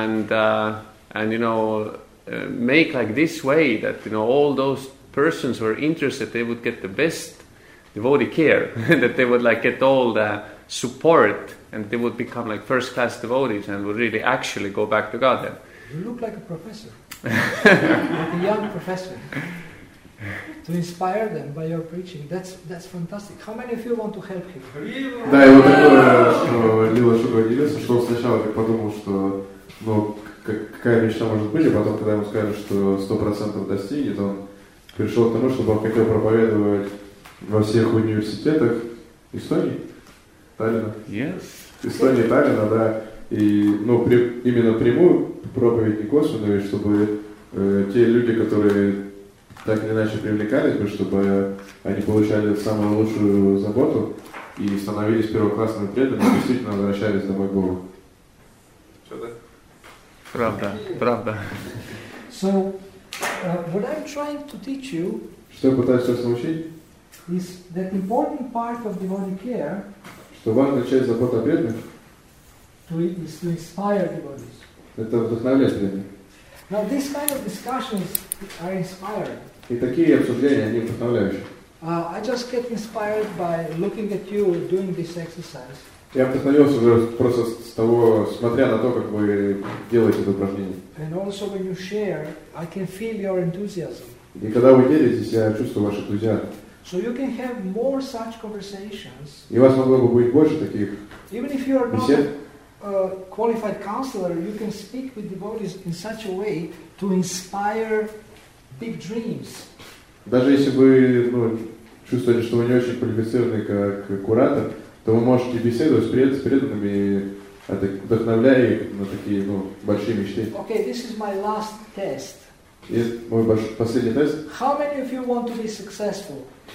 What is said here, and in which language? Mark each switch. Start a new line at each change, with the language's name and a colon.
English: And you know, make like this way that, you know, all those persons who are interested, they would get the best devotee care, that they would like get all the support and they would become like first class devotees and would really actually go back to God. Then. You look like a professor, like a young professor, to inspire them by your preaching. That's fantastic. How many of you want to help him?
Russian: Да, и вот такое, что Лила Шуга удивился, что он сначала подумал, что ну, какая мечта может быть, а потом, когда ему сказали, что 100% достигнет, он пришел к тому, чтобы он хотел проповедовать во всех университетах Эстонии, Таллина.
English: Yes.
Russian: Эстонии, Таллина, да. И, ну, именно прямую проповедь не косвенную, чтобы те люди, которые так или иначе привлекались бы, чтобы они получали самую лучшую заботу и становились первоклассными преданными, действительно возвращались домой к Богу. Правда, правда.
English: So, what I'm trying to teach you.
Russian: Что я пытаюсь вас научить?
English: Is that important part of devotee care?
Russian: Что важная часть заботы о преданных?
English: to inspire devotees.
Russian: Это вдохновляет людей.
English: Now these kind of discussions are inspiring.
Russian: И такие обсуждения, они вдохновляющие.
English: I just get inspired by looking at you doing this exercise.
Russian: Я вдохновился уже просто с того, смотря на то, как вы делаете это упражнение.
English: And also when you share, I can feel your enthusiasm.
Russian: И когда вы делитесь, я чувствую ваш энтузиазм.
English: So you can have more such conversations.
Russian: И у вас могло бы быть больше таких бесед.
English: Even if you are not a qualified counselor, you can speak with devotees in such a way to inspire big dreams.
Russian: Даже если вы чувствуете, что вы не очень квалифицированный как куратор, то вы можете беседовать с преданными, вдохновляя их на такие большие мечты.
English: Okay, this is my last test.
Russian: И мой последний тест.
English: How many of you want to be successful?